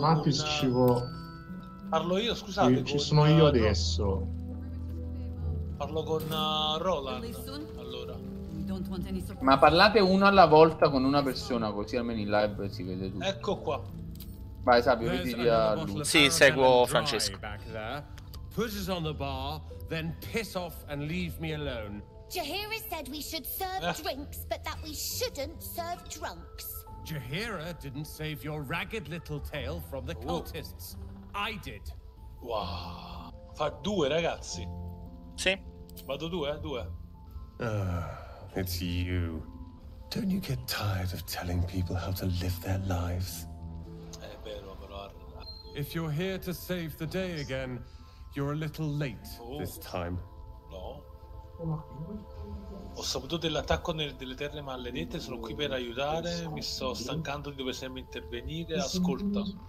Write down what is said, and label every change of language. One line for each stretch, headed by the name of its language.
Italian: Matisse ci vuole... Parlo io, scusate, ci sono io adesso. Parlo con Roland, allora. Ma parlate uno alla volta con una persona, così almeno in live si vede tutto. Ecco qua. Vai, Sabio, vedi di a lui. Sì, seguo Francesco.
English: Put us on the bar, then piss off and leave me alone. Jahira said we should serve drinks, but that we shouldn't serve drunks. Jahira didn't save your ragged little tail from the cultists. I did.
Italian: Wow. Fa due, ragazzi. Sì. Vado due.
English: It's you. Don't you get tired of telling people how to live their lives?
Italian: È vero, però...
English: If you're here to save the day again, you're a little late this time.
Italian: No. Ho saputo dell'attacco delle terre maledette, sono qui per aiutare, mi sto stancando di dover sempre intervenire, ascolta.